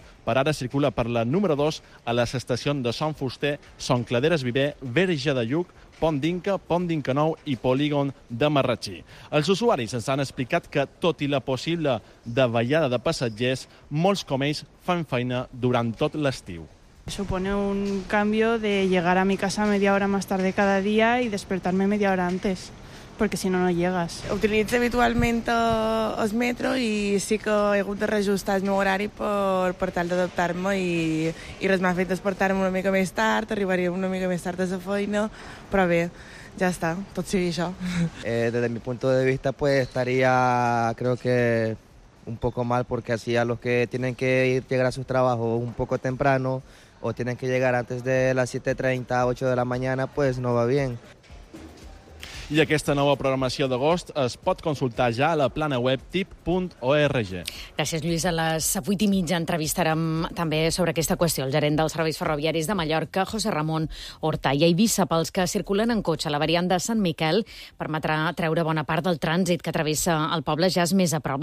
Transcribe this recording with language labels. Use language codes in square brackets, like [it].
[ca] Per ara circula per la número 2 a les estacions de Sant Fuster, Son Claderes Viver, Verge de Lluc, Pont d'Inca, Pont d'Inca Nou i Polígon de Marratxí. Els usuaris ens han explicat que, tot i la possible davallada de passatgers, molts com ells fan feina durant tot l'estiu. [es] Supone un cambio de llegar a mi casa media hora más tarde cada día y despertarme media hora antes, porque si no, no llegas. [ca] Utilitzo habitualment el metro i sí que he hagut de reajustar el meu horari per tal d'adaptar-me i res m'ha fet despertar-me una mica més tard, arribaria una mica més tard a la feina, però bé, ja està, tot sigui això. [es] Desde mi punto de vista, pues estaría, creo que un poco mal, porque así a los que tienen que ir, llegar a sus trabajos un poco temprano o tienen que llegar antes de las 7:30, 8 de la mañana, pues no va bien. [ca] I aquesta nova programació d'agost es pot consultar ja a la plana web tip.org. Gràcies, Lluís. A les 8:30 entrevistarem també sobre aquesta qüestió el gerent dels serveis ferroviaris de Mallorca, José Ramon Horta. I a Eivissa, pels que circulen en cotxe, la variant de Sant Miquel permetrà treure bona part del trànsit que travessa el poble ja és més a prop.